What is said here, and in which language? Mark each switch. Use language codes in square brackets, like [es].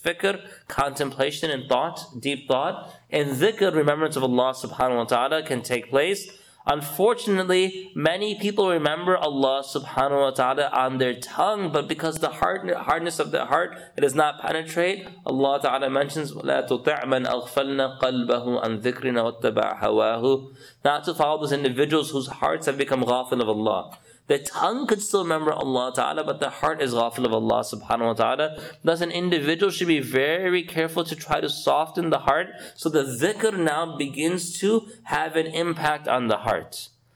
[en] Fikr, contemplation and thought, deep thought, and dhikr, remembrance of Allah subhanahu wa ta'ala, can take place. Unfortunately, many people remember Allah subhanahu wa ta'ala on their tongue, but because the hardness of the heart, it does not penetrate. Allah ta'ala mentions, [ar] لَا تُطِعْ مَنْ أَغْفَلْنَا قَلْبَهُ عَنْ ذِكْرِنَا وَاتَّبَعْ هَوَاهُ. [en] Not to follow those individuals whose hearts have become ghafil of Allah. The tongue could still remember Allah ta'ala, but the heart is ghafil of Allah subhanahu wa ta'ala. Thus an individual should be very careful to try to soften the heart, so the dhikr now begins to have an impact on the heart.